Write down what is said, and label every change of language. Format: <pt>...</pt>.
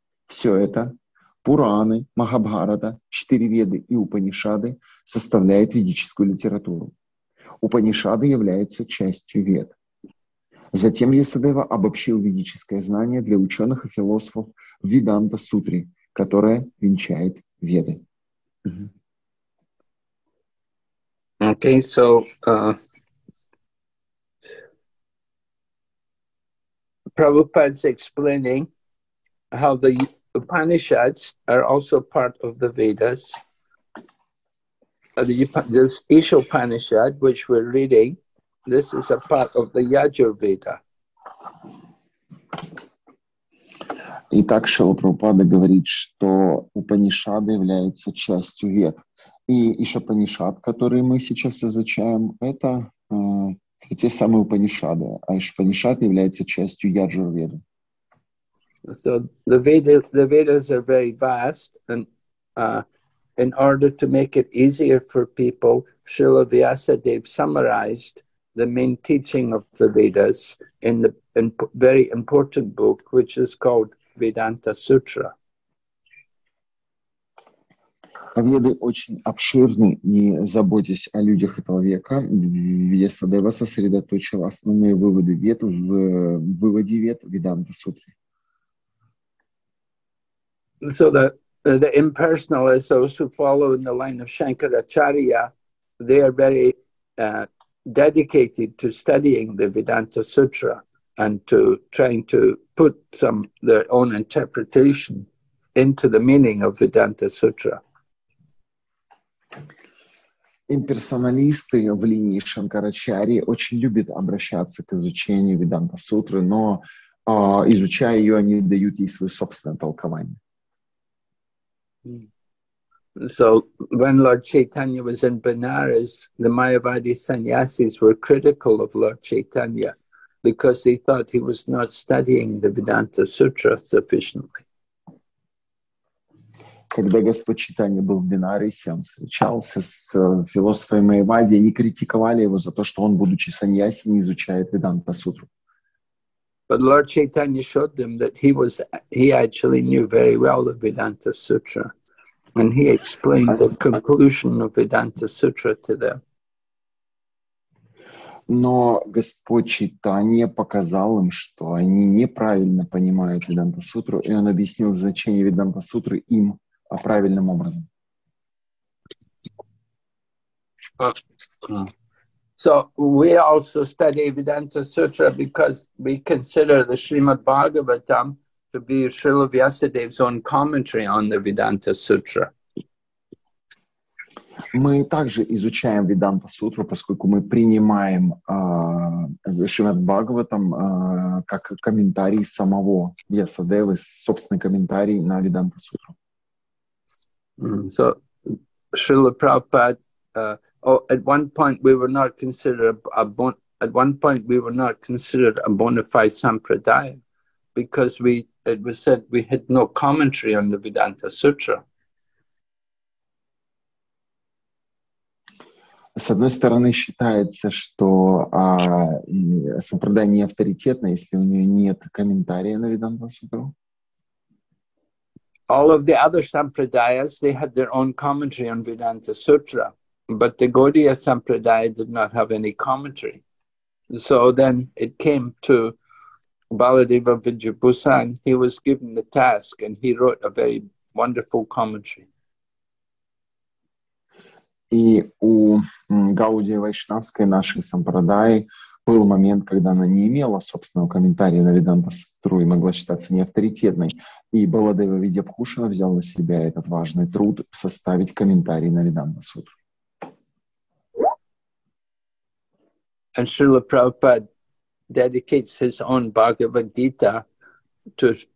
<ru>Все это, Пураны, Махабхарата, четыре Веды и Упанишады, составляет ведическую литературу. Упанишады являются частью Вед. Затем Ясадева обобщил ведическое знание для ученых и философов в Веданта Сутре, которая венчает Веды.</ru> <en>Okay, so, Prabhupada's explaining how the Upanishads are also part of the Vedas. This Isha Upanishad, which we're reading, this is a part of the Yajurveda.</en> <ru>Итак, Шрила Прабхупада говорит, что Упанишады являются частью Вед. И Иша Панишад, который мы сейчас изучаем, это те самые Упанишады, а Иша Панишад является частью Яджурведы.</ru> <en>So the Vedas are very vast, and in order to make it easier for people, Srila Vyasadeva summarized the main teaching of the Vedas in the very important book, which is called Vedanta Sutra.</en> <ru>Веды очень обширны, и, заботясь о людях этого века, Вьясадева сосредоточил основные выводы Вед в выводе Вед Веданта Сутры.</ru> <en>So the impersonalists, those who follow in the line of Shankaracharya, they are very dedicated to studying the Vedanta Sutra and to trying to put some their own interpretation into the meaning of Vedanta Sutra.</en> <ru>Имперсоналисты в линии Шанкарачари очень любят обращаться к изучению Веданта Сутры, но изучая ее, они дают ей свое собственное толкование.</ru> <en>So when Lord Chaitanya was in Benares, the Mayavadi sannyasis were critical of Lord Chaitanya, because they thought he was not studying the Vedanta Sutra sufficiently.</en> <ru>Когда Господь Чайтанья был в Бенарисе, он встречался с философами Майявади, они критиковали его за то, что он, будучи саньяси, не изучает Веданта Сутру.</ru> <en>But Lord Chaitanya showed them that he actually knew very well the Vedanta Sutra, and he explained the conclusion of Vedanta Sutra to them.</en> <ru>Но Господь Чайтанья показал им, что они неправильно понимают Веданта Сутру, и он объяснил значение Веданта Сутры им правильным образом.</ru> <en>So we also study Vedanta Sutra because we consider the Srimad Bhagavatam to be Srila Vyasadeva's own commentary on the Vedanta Sutra.</en> <ru>Мы также изучаем Веданта Сутру, поскольку мы принимаем Шримад Бхагаватам как комментарий самого Ясадевы, собственный комментарий на Веданта Сутру.</ru> <en>So, Srila Prabhupada, at one point we were not considered a bona fide sampradaya, because it was said we had no commentary on the Vedanta Sutra.</en> <ru>С одной стороны, считается, что сампрадая не авторитетна, если у нее нет комментария на Веданта Сутру.</ru> <en>All of the other sampradayas, they had their own commentary on Vedanta Sutra, but the Gaudiya sampradaya did not have any commentary. So then it came to Baladeva Vidyabhusan. He was given the task and he wrote a very wonderful commentary.</en> <ru>И у Гаудии Вайшнавской, нашей сампрадаи, был момент, когда она не имела собственного комментария на Веданта Сутру и могла считаться неавторитетной. И Баладева Видьябхушана взял на себя этот важный труд составить комментарий на Веданта Сутру.</ru> <en>And Srila Prabhupada dedicates his own Bhagavad Gita to</en>